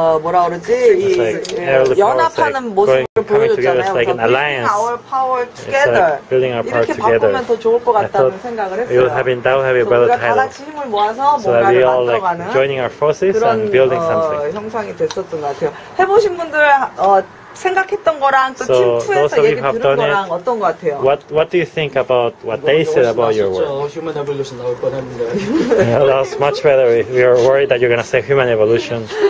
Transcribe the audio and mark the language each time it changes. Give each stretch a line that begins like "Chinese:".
Korean: 뭐라 그러지?
English: It's like,
Korean: 연합하는 모습.
English: It's like an alliance. It's like building our power together. I thought it would have been, that would have been a better title. So that we all like joining our forces and building something.
Korean: 해보신 분들, 생각했던 거랑 또 팀 2에서 얘기 들은 거랑 어떤 거 같아요?
English: What do you think about what they said about your work? Human evolution
Korean: 나올 뻔했는데.
English: Yeah, that was much better. We were worried that you're gonna say human evolution.